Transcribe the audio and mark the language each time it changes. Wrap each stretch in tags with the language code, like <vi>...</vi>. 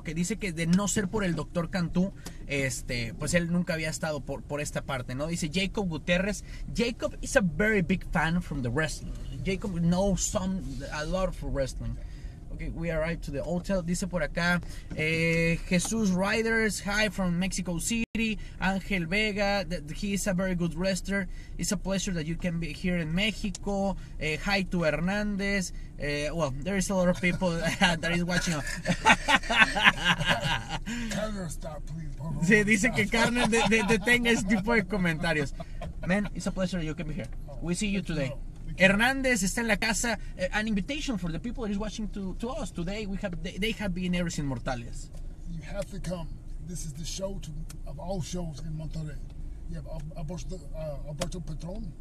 <es>Dice que de no ser por el doctor Cantú, pues él nunca había estado por esta parte, ¿no? Dice Jacob Gutierrez.</es> <en>Jacob is a very big fan from the wrestling. Jacob knows a lot of wrestling. Okay, we arrived to the hotel.</en> <es>Dice por acá, Jesús Riders,</es> <en>hi from Mexico City. Ángel Vega, he is a very good wrestler. It's a pleasure that you can be here in Mexico. Hi to Hernández. Well, there is a lot of people that is watching. Carner, stop, please.</en> <es>Sí, dice que Carner detenga ese tipo de comentarios.</es> <en>Man, it's a pleasure that you can be here. We see you today. Hernández</en> <es>está en la casa.</es> <en>An invitation for the people that is watching to us today. We have they have been Eres Inmortales. You have to come. This is the show of all shows in Monterrey. You have Alberto Patron.</en>